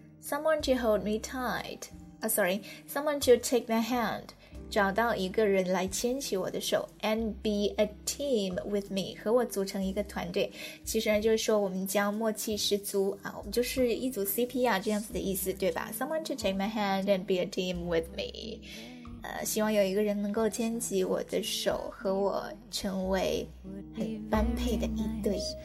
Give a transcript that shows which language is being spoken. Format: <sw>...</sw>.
<en>Someone to hold me tight. Someone to take my hand.</en> <zh>找到一个人来牵起我的手</zh> <en>and be a team with me.</en> <zh>和我组成一个团队。其实呢就是说我们将默契十足啊，我们就是一组 CP 啊，这样子的意思，对吧？</zh> <en>Someone to take my hand and be a team with me.</en> <zh>希望有一个人能够牵起我的手，和我成为很般配的一对。</zh>